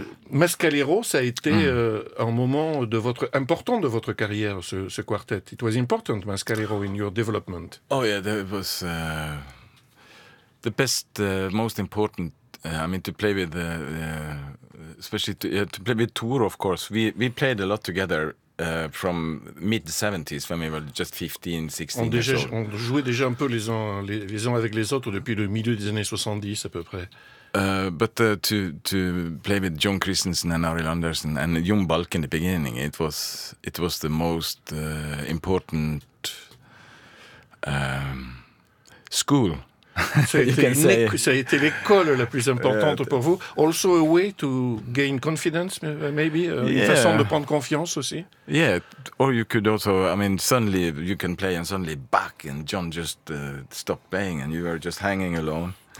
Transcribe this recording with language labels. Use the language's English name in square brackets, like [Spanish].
[French] Mascalero, ça a été un moment important de votre carrière, ce quartet. [English] It was important, Mascalero, in your development. Oh yeah, that was the best, most important. I mean, to play with the. Especially to play with Tour, of course. We played a lot together from mid-70s, when we were just 15, 16 years old. [French] On jouait déjà un peu les uns avec les autres depuis le milieu des années 70, à peu près. [English] But to play with John Christensen and Ari Landersen and Jon Balk in the beginning, it was the most important school. [French] Ça a été l'école la plus importante pour vous. [English] Also a way to gain confidence, maybe. [French] Une façon de prendre confiance aussi. [English] Yeah, or you could also, I mean, suddenly you can play and suddenly back and John just stopped playing and you were just hanging alone.